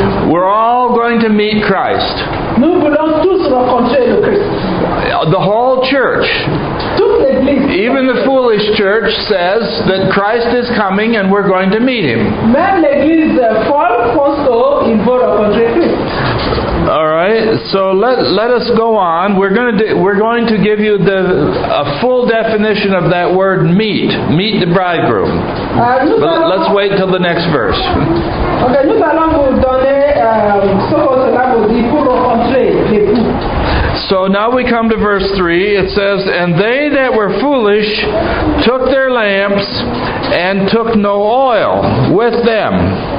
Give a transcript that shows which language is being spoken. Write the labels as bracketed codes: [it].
[en] We're all going to meet Christ. [fr] Nous voulons tous rencontrer le Christ. [en] The whole church. [fr] Toute l'église. [en] Even the foolish church says that Christ is coming and we're going to meet him. [fr] Même l'église folle pense qu'il veut rencontrer Christ. [en] All right. So let us go on. We're going to give you a full definition of that word meet the bridegroom. But let's wait till the next verse. [fr] Okay, nous allons vous donner ce que cela veut dire pour rencontrer l'époux. [en] So now we come to verse 3. It says, "And they that were foolish took their lamps and took no oil with them."